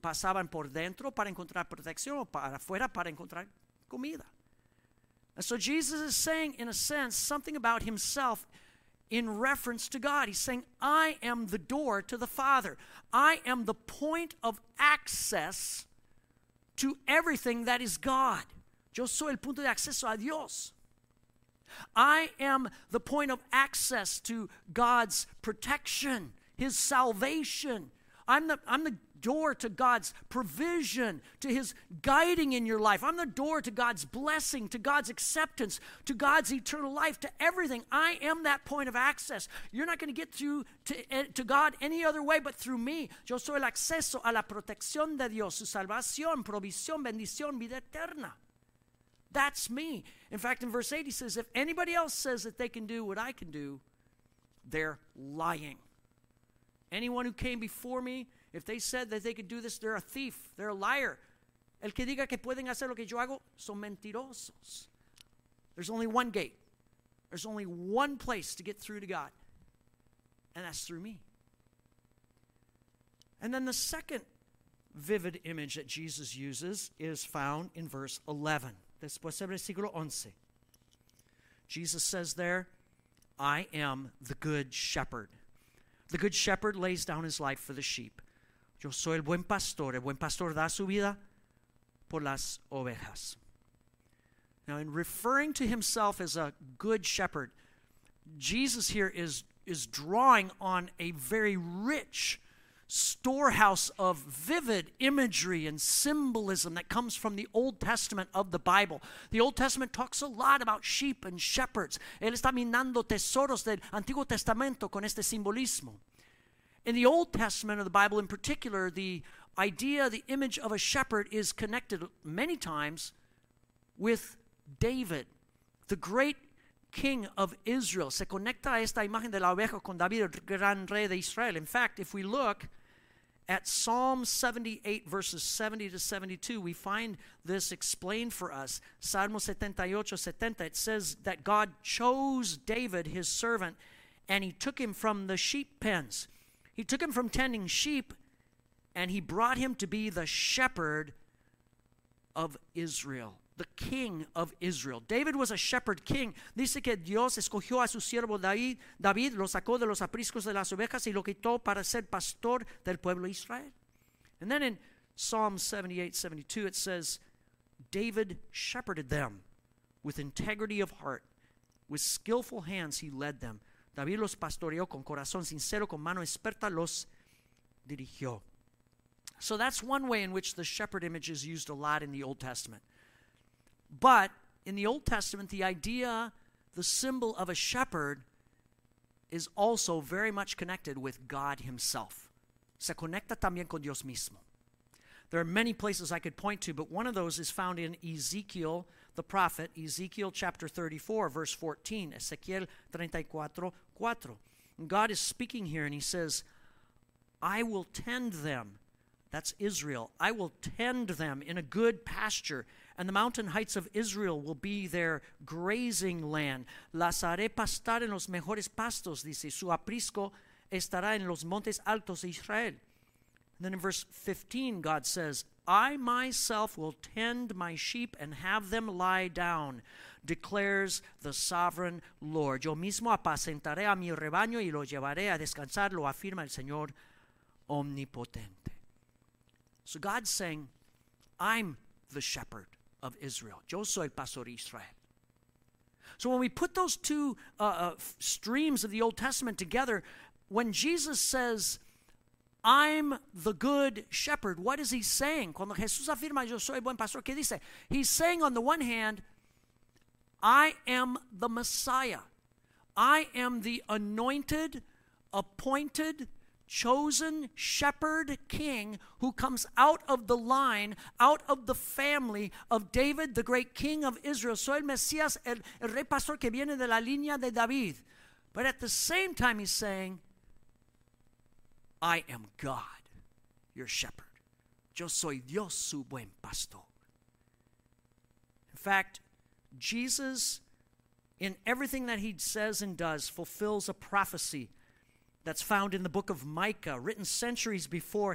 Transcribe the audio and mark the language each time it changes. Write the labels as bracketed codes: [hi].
[es] Pasaban por dentro para encontrar protección, o para afuera para encontrar comida. [en] And so Jesus is saying, in a sense, something about himself in reference to God. He's saying, I am the door to the Father. I am the point of access to everything that is God. [es] Yo soy el punto de acceso a Dios. [en] I am the point of access to God's protection, his salvation. I'm the door to God's provision, to his guiding in your life. I'm the door to God's blessing, to God's acceptance, to God's eternal life, to everything. I am that point of access. You're not going to get through to God any other way but through me. [es] Yo soy el acceso a la protección de Dios, su salvación, provisión, bendición, vida eterna. [en] That's me. In fact, in verse 8, he says, if anybody else says that they can do what I can do, they're lying. Anyone who came before me, if they said that they could do this, they're a thief. They're a liar. [es] El que diga que pueden hacer lo que yo hago, son mentirosos. [en] There's only one gate. There's only one place to get through to God, and that's through me. And then the second vivid image that Jesus uses is found in verse 11. [es] Después del versículo 11. [en] Jesus says there, I am the good shepherd. The good shepherd lays down his life for the sheep. [es] Yo soy el buen pastor. El buen pastor da su vida por las ovejas. [en] Now, in referring to himself as a good shepherd, Jesus here is drawing on a very rich storehouse of vivid imagery and symbolism that comes from the Old Testament of the Bible. The Old Testament talks a lot about sheep and shepherds. [es] Él está minando tesoros del Antiguo Testamento con este simbolismo. [en] In the Old Testament of the Bible in particular, the idea, the image of a shepherd is connected many times with David, the great king of Israel. [es] Se conecta esta imagen de la oveja con David, el gran rey de Israel. [en] In fact, if we look at Psalm 78, verses 70 to 72, we find this explained for us. Salmo 78, 70, it says that God chose David, his servant, and he took him from the sheep pens. He took him from tending sheep, and he brought him to be the shepherd of Israel, the king of Israel. David was a shepherd king. [es] Dice que Dios escogió a su siervo David, lo sacó de los apriscos de las ovejas y lo quitó para ser pastor del pueblo de Israel. [en] And then in Psalm 78, 72, it says, David shepherded them with integrity of heart. With skillful hands he led them. [es] David los pastoreó con corazón sincero, con mano experta los dirigió. [en] So that's one way in which the shepherd image is used a lot in the Old Testament. But in the Old Testament, the idea, the symbol of a shepherd is also very much connected with God himself. [es] Se conecta también con Dios mismo. [en] There are many places I could point to, but one of those is found in Ezekiel, the prophet, Ezekiel chapter 34, verse 14, Ezekiel 34, 4. And God is speaking here and he says, I will tend them, that's Israel, I will tend them in a good pasture, and the mountain heights of Israel will be their grazing land. [es] Las haré pastar en los mejores pastos, dice. Su aprisco estará en los montes altos de Israel. [en] And then in verse 15, God says, I myself will tend my sheep and have them lie down, declares the sovereign Lord. [es] Yo mismo apacentaré a mi rebaño y lo llevaré a descansar, lo afirma el Señor Omnipotente. [en] So God's saying, I'm the shepherd of Israel. [es] Yo soy el pastor de Israel. [en] So when we put those two streams of the Old Testament together, when Jesus says, I'm the good shepherd, what is he saying? [es] Cuando Jesús afirma, yo soy buen pastor, ¿qué dice? [en] He's saying on the one hand, I am the Messiah. I am the anointed, appointed, chosen shepherd king who comes out of the line, out of the family of David, the great king of Israel. [es] Soy el Mesías, el rey pastor que viene de la línea de David. [en] But at the same time, he's saying, I am God, your shepherd. [es] Yo soy Dios, su buen pastor. [en] In fact, Jesus, in everything that he says and does, fulfills a prophecy that's found in the book of Micah, written centuries before.